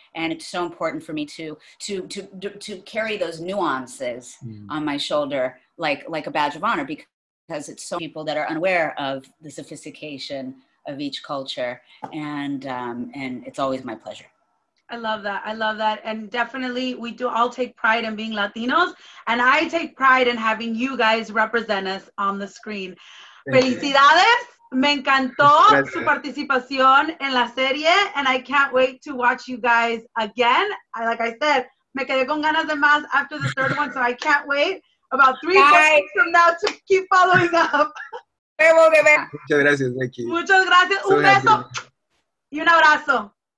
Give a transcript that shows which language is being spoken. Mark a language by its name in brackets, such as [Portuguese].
[English] And it's so important for me to carry those nuances on my shoulder like a badge of honor, because it's so many people that are unaware of the sophistication of each culture. And it's always my pleasure. I love that. And definitely we do all take pride in being Latinos. And I take pride in having you guys represent us on the screen. [Spanish] Felicidades. Me encantó su participación en la serie. [English] And I can't wait to watch you guys again. Like I said, [Spanish] me quedé con ganas de más [English] after the third one. So I can't wait about 3 weeks from now to keep following up. [Spanish] Muchas gracias, Becky. Muchas gracias. Un beso y un abrazo.